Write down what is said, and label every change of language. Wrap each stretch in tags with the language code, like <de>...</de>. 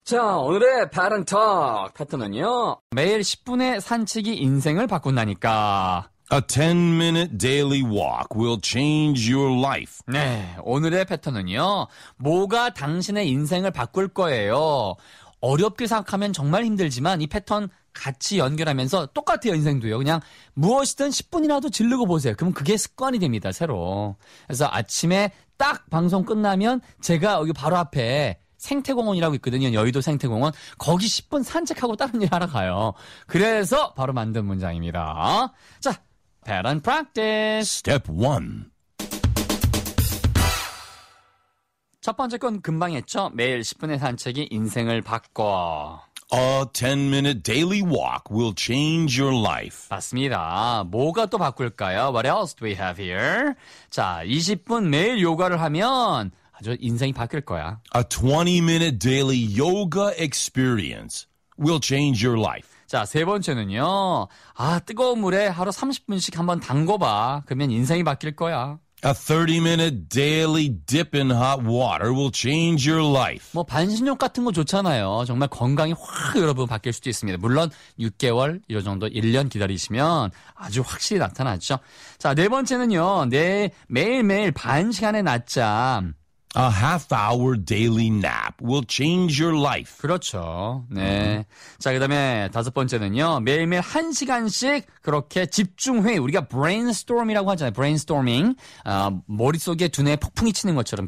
<ko>자, 오늘의 바른톡 패턴은요. 매일 10분의 산책이 인생을 바꾼다니까.</ko> <en>A 10-minute daily walk will change your life.</en> <ko>네, 오늘의 패턴은요. 뭐가 당신의 인생을 바꿀 거예요. 어렵게 생각하면 정말 힘들지만 이 패턴 같이 연결하면서 똑같아요, 인생도요. 그냥 무엇이든 10분이라도 질르고 보세요. 그럼 그게 습관이 됩니다, 새로. 그래서 아침에 딱 방송 끝나면 제가 여기 바로 앞에 생태공원이라고 있거든요. 여의도 생태공원. 거기 10분 산책하고 다른 일 하러 가요. 그래서 바로 만든 문장입니다.</ko> <en>자, pattern practice. Step 1.</en> <ko>첫 번째 건 금방 했죠. 매일 10분의 산책이 인생을 바꿔.</ko> <en>A 10-minute daily walk will change your life.</en> <ko>맞습니다. 뭐가 또 바꿀까요?</ko> <en>What else do we have here?</en> <ko>자, 20분 매일 요가를 하면 아주 인생이 바뀔 거야.</ko> <en>A 20-minute daily yoga experience will change your life.</en> <ko>자, 세 번째는요. 아, 뜨거운 물에 하루 30분씩 한번 담궈봐. 그러면 인생이 바뀔 거야.</ko> <en>A 30-minute daily dip in hot water will change your life.</en> <ko>뭐 반신욕 같은 거 좋잖아요. 정말 건강이 확 여러분 바뀔 수도 있습니다. 물론 6개월 이 정도 1년 기다리시면 아주 확실히 나타나죠. 자, 네 번째는요. 네, 매일매일 반 시간의 낮잠.</ko> <en>A half-hour daily nap will change your life.</en> <ko>그렇죠. 네. 자, 그 다음에 다섯 번째는요. 매일매일 한 시간씩 그렇게 집중회의. 우리가 brainstorm이라고 하잖아요.</ko> <en>brainstorming.</en> <ko>머릿속에 두뇌에 폭풍이 치는 것처럼.</ko>